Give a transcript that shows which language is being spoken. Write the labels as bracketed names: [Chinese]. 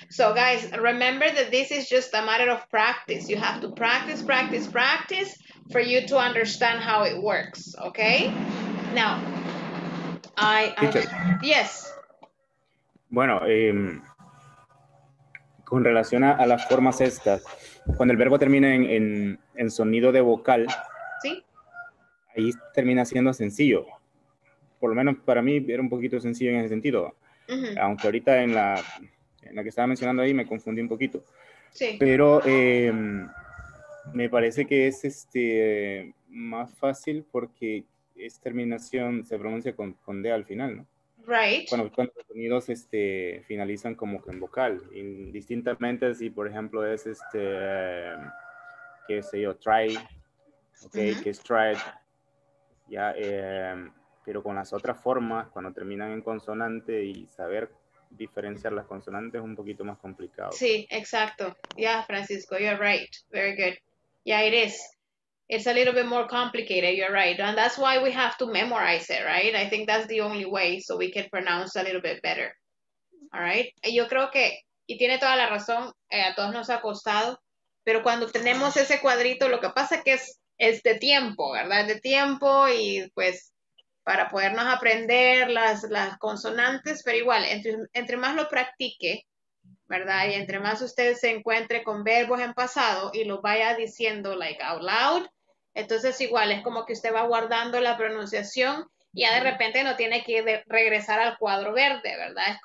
[English] So guys, remember that this is just a matter of practice. You have to practice, practice, practice for you to understand how it works, okay? Now, yes. [Spanish] Bueno, con relación a las formas estas, cuando el verbo termina en sonido de vocal, ¿sí? Ahí termina siendo sencillo. Por lo menos para mí era un poquito sencillo en ese sentido. Uh-huh. Aunque ahorita en la que estaba mencionando ahí me confundí un poquito. Sí. Pero me parece que es más fácil porque es terminación, se pronuncia con D al final, ¿no? [English] Right. [Spanish] Cuando los sonidos finalizan como que en vocal. Indistintamente si, por ejemplo, es qué sé yo, try. Ok, uh-huh. Que es try. Ya, pero con las otras formas, cuando terminan en consonante y saber diferenciar las consonantes es un poquito más complicado. Sí, exacto. [English] Yeah, Francisco, you're right. Very good. Yeah, it is. It's a little bit more complicated, you're right. And that's why we have to memorize it, right? I think that's the only way so we can pronounce a little bit better. All right? [Spanish] Yo creo que, y tiene toda la razón, a todos nos ha costado, pero cuando tenemos ese cuadrito, lo que pasa es que es de tiempo, ¿verdad? De tiempo y pues... para podernos aprender las consonantes, pero igual, entre más lo practique, ¿verdad? Y entre más usted se encuentre con verbos en pasado y lo vaya diciendo, [English] like, out loud, [Spanish] entonces igual es como que usted va guardando la pronunciación y ya de repente no tiene que regresar al cuadro verde, ¿verdad?